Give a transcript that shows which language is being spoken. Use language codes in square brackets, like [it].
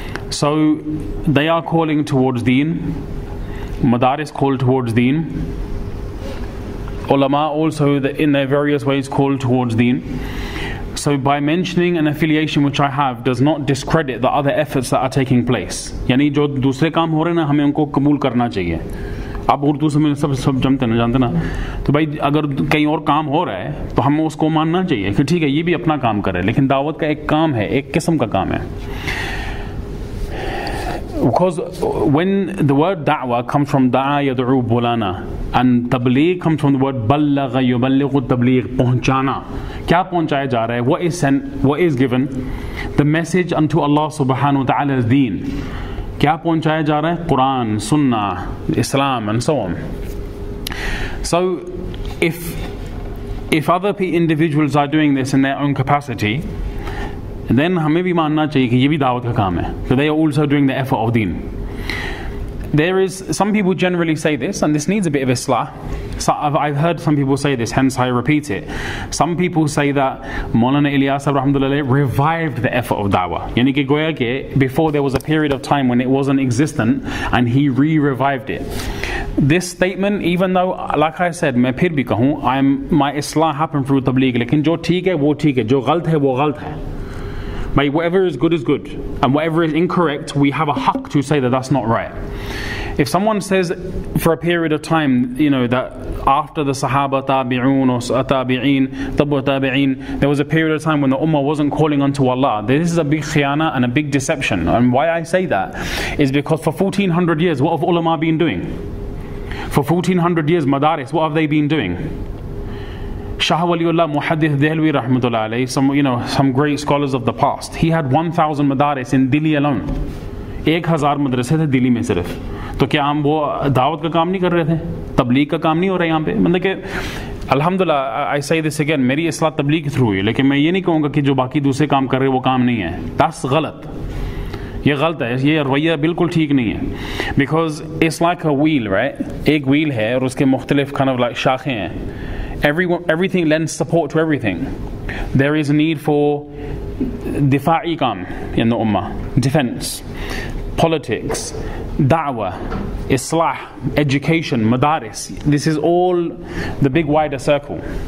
[en] So they are calling towards deen, madaris call towards deen, ulama also in their various ways call towards deen. So by mentioning an affiliation which I have does not discredit the other efforts that are taking place. [ur] یعنی جو دوسرے کام ہو رہے نا ہمیں ان کو قبول کرنا چاہیے۔ آپ اردو سے میں سب جانتے نا جانتے نا تو بھائی اگر کہیں اور کام ہو رہا ہے تو ہمیں اس کو ماننا چاہیے کہ ٹھیک ہے یہ بھی اپنا کام کر رہا ہے لیکن دعوت کا ایک کام ہے، ایک قسم کا کام ہے۔ [en] Because when the word da'wah comes from da'a yad'u [ur] بلانا، [en] and tabligh comes from the word ballagha yuballighu tabligh، [ur] پہنچانا۔ کیا پہنچایا جا رہا ہے؟ [en] What is sent? What is given? The message unto Allah subhanahu wa ta'ala's deen. [ur] کیا پہنچایا جا رہا ہے؟ [en] Quran, Sunnah, Islam, and so on. So if other individuals are doing this in their own capacity, then [ur] ہمیں بھی ماننا چاہیے کہ یہ بھی دعوت کا کام ہے۔ [en] So they are also doing the effort of deen. There is, some people generally say this, and this needs a bit of islah. So I've heard some people say this, hence I repeat it. Some people say that Maulana Ilyas Rahmatullah revived the effort of da'wah. [ur] Yani ke goya ke, [en] before there was a period of time when it wasn't existent, and he re-revived it. This statement, even though, like I said, [ur] میں پھر بھی کہوں، my اصلاح [en] happened through [ur] تبلیغ، لیکن جو ٹھیک ہے، وہ ٹھیک ہے، جو غلط ہے، وہ غلط ہے۔ [en] May whatever is good is good, and whatever is incorrect, we have a haq to say that that's not right. If someone says for a period of time, you know, that after the Sahaba tabi'un or tabi'in, tabu tabi'in, there was a period of time when the Ummah wasn't calling unto Allah, this is a big khiyana and a big deception. And why I say that is because for 1400 years, what have ulama been doing? For 1400 years, madaris, what have they been doing? Shah Waliullah Muhaddith Dehlawi Rahmatullah Alayhi, some great scholars of the past, he had 1,000 madaris in Delhi alone. [ur] 1,000 مدرسہ تھے دہلی میں صرف۔ تو کیا ہم وہ دعوت کا کام نہیں کر رہے تھے؟ تبلیغ کا کام نہیں ہو رہا یہاں پہ؟ مطلب کہ الحمدللہ، [en] I say this again, [ur] میری اصلاح تبلیغ through ہوئی، لیکن میں یہ نہیں کہوں گا کہ جو باقی دوسرے کام کر رہے وہ کام نہیں ہے۔ [en] That's ghalat. [ur] یہ غلط ہے، یہ رویہ بالکل ٹھیک نہیں ہے۔ [en] Because it's like a wheel, right? [ur] ایک wheel ہے اور اس کے مختلف [en] kind of like [ur] شاخیں ہیں۔ [en] Everything lends support to everything. There is a need for difa'i kaam in the ummah, defense, politics, da'wah, islah, education, madaris. This is all the big wider circle.